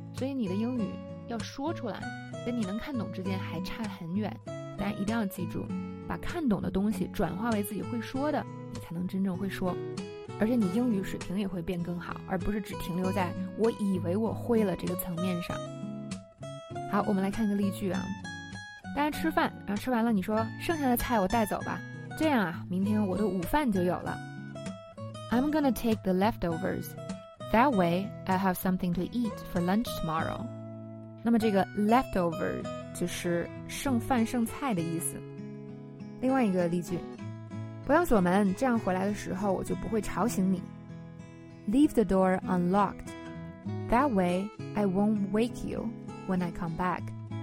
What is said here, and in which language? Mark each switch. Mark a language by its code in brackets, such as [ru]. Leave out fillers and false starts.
[zh] 所以你的英语要说出来跟你能看懂之间还差很远，大家一定要记住，把看懂的东西转化为自己会说的，你才能真正会说，而且你英语水平也会变更好，而不是只停留在我以为我会了这个层面上。好，我们来看一个例句啊。大家吃饭，然后吃完了你说，剩下的菜我带走吧，这样啊，明天我的午饭就有了。 [en] I'm gonna take the leftovers. That way I have something to eat for lunch tomorrow. [zh] 那么这个 leftover 就是剩饭剩菜的意思。另外一个例句，不要锁门，这样回来的时候我就不会吵醒你。 [en] Leave the door unlocked. That way I won't wake you when I come back.